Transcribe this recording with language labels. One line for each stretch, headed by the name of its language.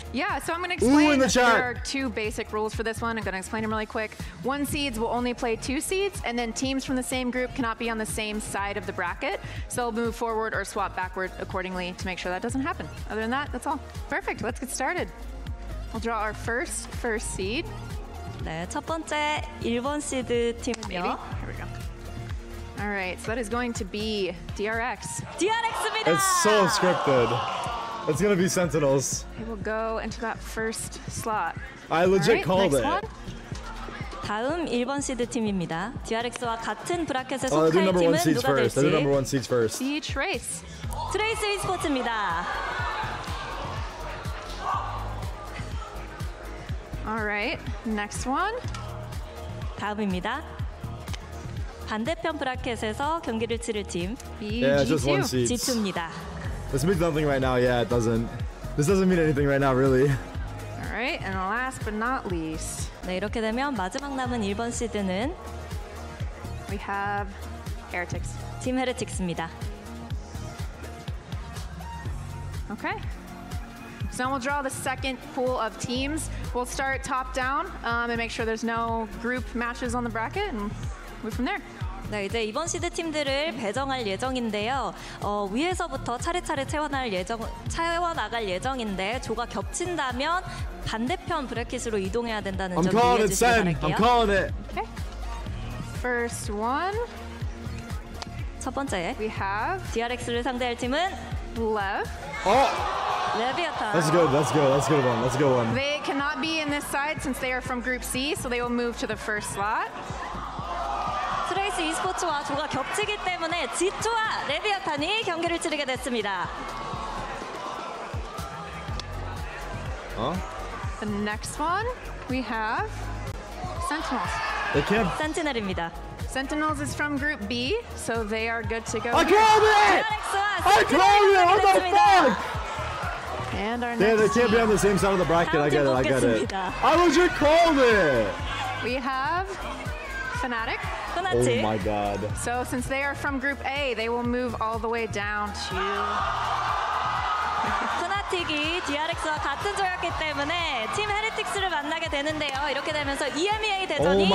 English: Yeah, so I'm going to explain that there are two basic rules for this one. I'm going to explain them really quick. One seeds will only play two seeds, and then teams from the same group cannot be on the same side of the bracket. So they'll move forward or swap backward accordingly to make sure that doesn't happen. Other than that, that's all. Perfect, let's get started. We'll draw our first seed.
Korean: 네, 첫 번째 1번 시드 팀은요.
English: Here we go. All right, so that is going to be DRX.
Korean: DRX입니다!
English: It's so scripted. It's going to be Sentinels. It will go into that first slot. I legit right, called next One.
Korean: 다음 1번 시드 팀입니다. DRX와 같은 브라켓에 속한 팀은 누가
English: first.
Korean: 될지.
English: I'll do number one seeds first. The Trace.
Korean: Trace Esports입니다.
English: All right, next one.
Korean: 다음입니다. 반대편 브라켓에서 경기를 치를 팀.
English: Yeah, just one seeds.
Korean: G2입니다.
English: This means nothing right now. Yeah, it doesn't. This doesn't mean anything right now, really. All right, and last but not least.
Korean: 네, 이렇게 되면 마지막 남은 1번 시드는
English: we have Heretics.
Korean: 팀 헤레틱스입니다.
English: Okay. So we'll draw the second pool of teams. We'll start top down and make sure there's no group matches on the bracket and move from there.
Korean: 네, 이제 이번 시드 팀들을 배정할 예정인데요. 위에서부터 차례차례 채워나갈 예정인데 조가 겹친다면 반대편 브래킷으로 이동해야 된다는 점 이해해 주시기 바랄게요.
English: I'm calling it, Sen. I'm calling it. Okay. First one.
Korean: 첫 번째.
English: We have.
Korean: DRX를 상대할 팀은
English: Lev. Oh. Leviathan. That's good. That's good. That's a good one. That's a good one. They cannot be in this side since they are from Group C, so they will move to the first slot.
Korean: 트레이스 e스포츠와 조가 겹치기 때문에 G2와 레비아탄이 경기를 치르게 됐습니다. 어?
English: The next one we have Sentinels. They can't.
Korean: Sentinel입니다.
English: Sentinels is from Group B, so they are good to go. I called it! I called it! What the fuck? And our next one. Yeah, they can't be on the same side of the bracket. I get it. I get it. I legit called it! We have Fnatic. Oh my god. So since they are from Group A, they will move all the way down to
Korean: Fnatic이 DRX와 같은 조였기 때문에 팀 헤레틱스를 만나게 되는데요. 이렇게 되면서 EMEA 대전이 완성됐습니다.